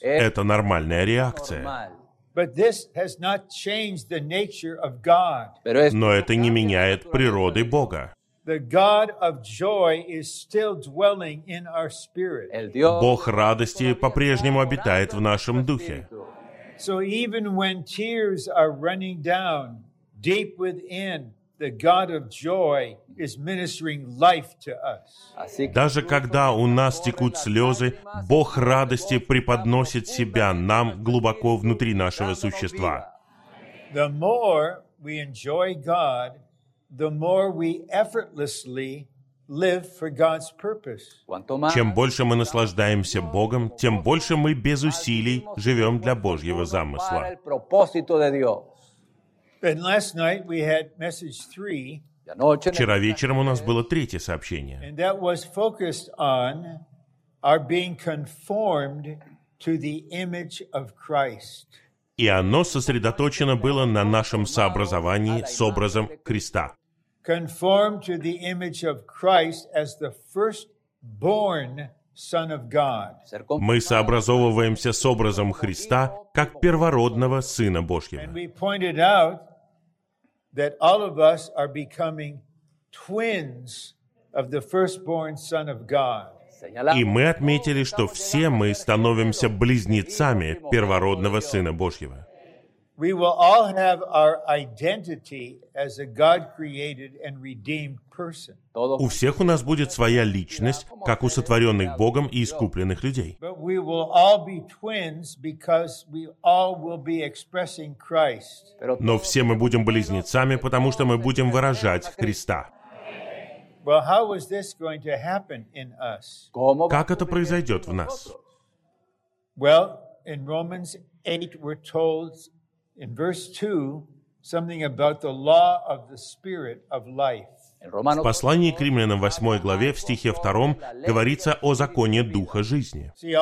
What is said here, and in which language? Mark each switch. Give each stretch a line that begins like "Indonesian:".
Russian: Это нормальная реакция.
English: But this has not changed the nature of God.
Russian: Но это не меняет природы Бога.
English: The God of joy is still dwelling in our spirit.
Russian: Бог радости по-прежнему обитает в нашем духе.
English: So even when tears are running down deep within, the God of joy is ministering life to us.
Russian: Даже когда у нас текут слезы, Бог радости преподносит себя нам глубоко внутри нашего существа.
English: The more we enjoy God, the more we effortlessly live for God's purpose.
Russian: Чем больше мы наслаждаемся Богом, тем больше мы без усилий живем для Божьего замысла.
English: And last night we had message 3.
Russian: Вчера вечером у нас было третье сообщение.
English: And that was focused on our being conformed to the image of Christ.
Russian: И оно сосредоточено было на нашем сообразовании с образом Христа.
English: Conformed to the image of Christ as the firstborn Son of God.
Russian: Мы сообразовываемся с образом Христа как первородного Сына Божьего.
English: And we pointed out that all of us are becoming twins of the firstborn Son of God.
Russian: И мы отметили, что все мы становимся близнецами первородного Сына Божьего.
English: We will all have our identity as a God-created and redeemed person.
Russian: У всех у нас будет своя личность, как у сотворенных Богом и искупленных людей.
English: But we will all be twins because we all will be expressing Christ.
Russian: Но все мы будем близнецами, потому что мы будем выражать Христа.
English: Well, how is this going to happen in us?
Russian: Как это произойдет в нас?
English: Well, in Romans 8 we're told in verse 2 Something about the law of the Spirit of life.
Russian: В послании к Римлянам 8 главе, в стихе 2, говорится о законе Духа жизни.